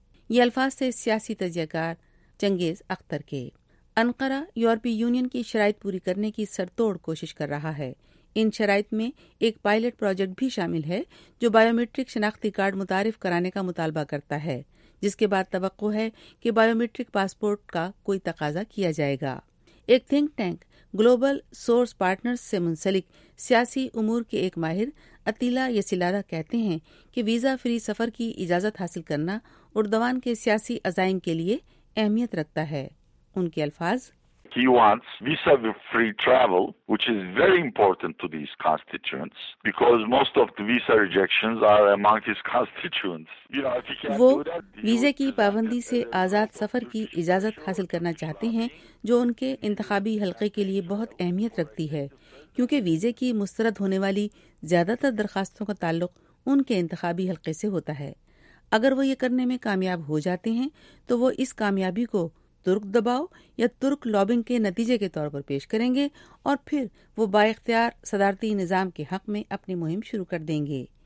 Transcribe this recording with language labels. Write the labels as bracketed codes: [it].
[ur] یہ الفاظ تھے سیاسی تجزیہ کار چنگیز اختر کے۔ انقرہ یورپی یونین کی شرائط پوری کرنے کی سر توڑ کوشش کر رہا ہے۔ ان شرائط میں ایک پائلٹ پروجیکٹ بھی شامل ہے جو بائیو میٹرک شناختی کارڈ متعارف کرانے کا مطالبہ کرتا ہے، جس کے بعد توقع ہے کہ بائیو میٹرک پاسپورٹ کا کوئی تقاضا کیا جائے گا۔ ایک think tank global source partners سے منسلک سیاسی امور کے ایک ماہر عطیلا یسیلارا کہتے ہیں کہ ویزا فری سفر کی اجازت حاصل کرنا اردوان کے سیاسی عزائم کے لیے اہمیت رکھتا ہے۔ ان کے الفاظ، [en] He wants visa-free travel, which is very important to these constituents, because most of the visa rejections are among his constituents. [ur] وہ ویزے کی پابندی سے آزاد سفر کی اجازت حاصل کرنا چاہتے ہیں جو ان کے انتخابی حلقے کے لیے بہت اہمیت رکھتی ہے، کیونکہ ویزے کی مسترد ہونے والی زیادہ تر درخواستوں کا تعلق ان کے انتخابی حلقے سے ہوتا ہے۔ اگر وہ یہ کرنے میں کامیاب ہو جاتے ہیں تو وہ اس کامیابی کو ترک دباؤ یا ترک لابنگ کے نتیجے کے طور پر پیش کریں گے اور پھر وہ با اختیار صدارتی نظام کے حق میں اپنی مہم شروع کر دیں گے۔